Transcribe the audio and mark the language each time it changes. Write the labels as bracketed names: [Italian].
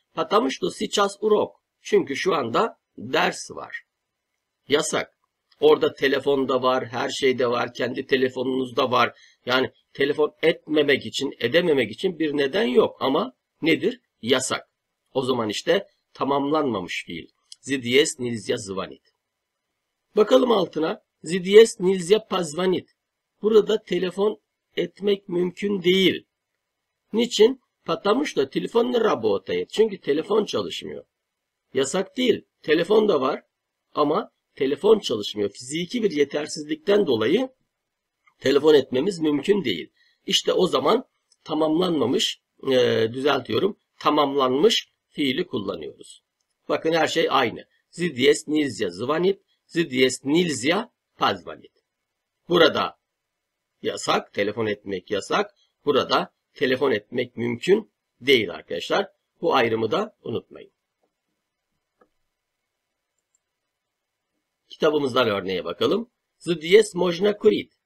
[Russian] Потому что сейчас урок. [Turkish] Çünkü şu anda ders var. Yasak. Orada telefon da var, her şey de var, kendi telefonunuz da var. Yani telefon etmemek için, edememek için bir neden yok. Ama nedir? Yasak. O zaman işte tamamlanmamış fiil. [Russian] Здесь нельзя звонить. [Turkish] Бакалым алтына. [Russian] Здесь нельзя позвонить. [Turkish] Burada telefon etmek mümkün değil. Niçin? [Russian] Потому что телефон не работает. [Turkish] Çünkü telefon çalışmıyor. Yasak değil. Telefon da var. Ama telefon çalışmıyor. Fiziki bir yetersizlikten dolayı telefon etmemiz mümkün değil. İşte o zaman tamamlanmamış, düzeltiyorum, tamamlanmış fiili kullanıyoruz. Бакын, her şey aynı. [Russian] Здесь нельзя звонить. Здесь нельзя позвонить. [Turkish] Burada yasak, телефон etmek yasak. Burada телефон etmek mümkün değil arkadaşlar. Bu ayrımı da unutmayın. Kitabımızdan örneğe bakalım. [Russian] Здесь можно курить.